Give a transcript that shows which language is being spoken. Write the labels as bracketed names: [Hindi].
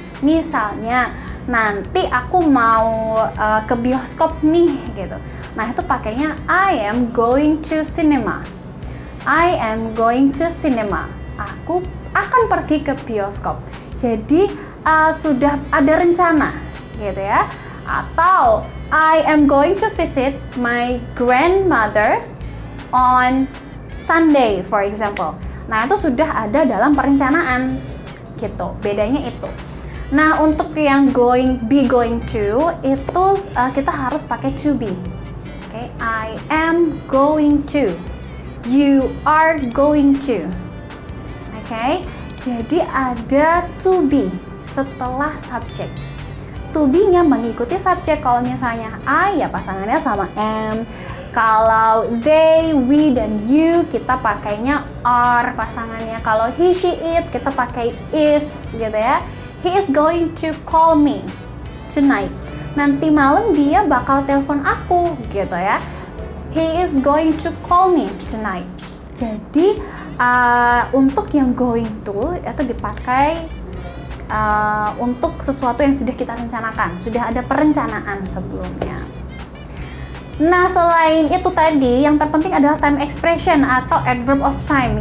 [Indonesian] Misalnya, nanti aku mau ke bioskop nih, gitu. Nah, itu pakainya [English] I am going to cinema. I am going to cinema. [Indonesian] Aku akan pergi ke bioskop. Jadi, sudah ada rencana, gitu ya. Atau, [English] I am going to visit my grandmother on Sunday, for example. [Indonesian] Nah, itu sudah ada dalam perencanaan, gitu. Bedanya itu. Nah, untuk yang going, be going to, itu kita harus pakai to be. [English] Okay? I am going to. You are going to. [Indonesian] Okay? Jadi ada to be setelah subjek. to be-nya mengikuti subjek. Kalau misalnya I, ya pasangannya sama am. Kalau they, we, dan you, kita pakainya are pasangannya. Kalau he, she, it, kita pakai is, gitu ya. [English] He is going to call me tonight. [Indonesian] Nanti malam dia bakal telepon aku, gitu ya. [English] He is going to call me tonight. [Indonesian] Jadi, untuk yang going to, itu dipakai untuk sesuatu yang sudah kita rencanakan. Sudah ada perencanaan sebelumnya. Nah, selain itu tadi, yang terpenting adalah time expression atau adverb of time.